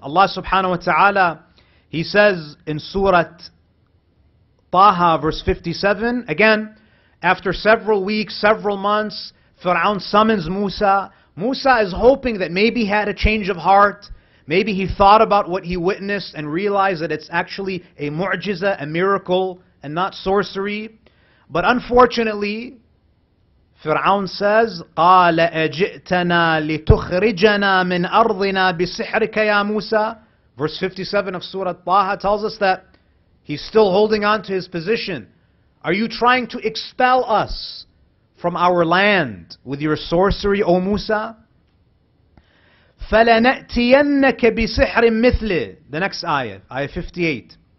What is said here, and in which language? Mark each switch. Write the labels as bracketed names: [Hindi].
[English] Allah subhanahu wa ta'ala, he says in Surah Taha verse 57, again, after several weeks, several months, Fir'aun summons Musa. Musa is hoping that maybe he had a change of heart. Maybe he thought about what he witnessed and realized that it's actually a mu'jiza, a miracle, and not sorcery. But unfortunately, Fir'aun says, [Arabic] قَالَ أَجِئْتَنَا لِتُخْرِجَنَا مِنْ أَرْضِنَا بِسِحْرِكَ يَا مُوسَى. [English] Verse 57 of Surah Taha tells us that he's still holding on to his position. Are you trying to expel us from our land with your sorcery, O Musa? [Arabic] فَلَنَأْتِيَنَّكَ بِسِحْرٍ مِثْلِ. [English] The next ayah, ayah 58.